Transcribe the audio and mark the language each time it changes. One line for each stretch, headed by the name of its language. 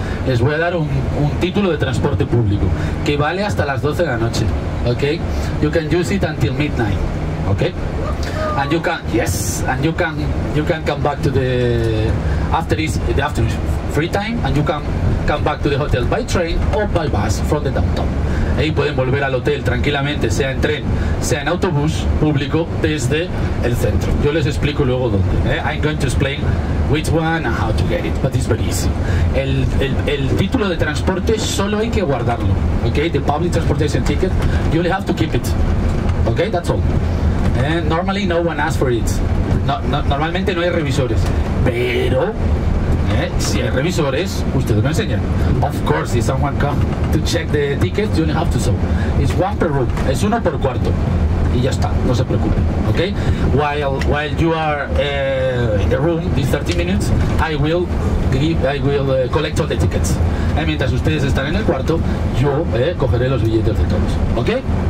Spanish: Les voy a dar un título de transporte público que vale hasta las 12 de la noche, ¿ok?
English: You can use it until midnight, ¿ok? And you can, yes, and you can come back to the after this free time, and you can come back to the hotel by train or by bus from the downtown.
Spanish: Ahí pueden volver al hotel tranquilamente, sea en tren, sea en autobús público desde el centro. Yo les explico luego dónde.
English: I'm going to explain which one and how to get it, but it's very easy.
Spanish: El título de transporte solo hay que guardarlo, okay?
English: The public transportation ticket, you only have to keep it, okay? That's all. And normally no one asks for it.
Spanish: Normalmente no hay revisores, pero si hay revisores, ustedes me enseñan.
English: Of course, if someone comes to check the ticket, you only have to show. It's one per room.
Spanish: Es uno por cuarto. y ya está, no se preocupen, ¿ok?
English: While you are in the room, these 30 minutes, I will collect all the tickets.
Spanish: Mientras ustedes están en el cuarto, yo cogeré los billetes de todos, ¿ok?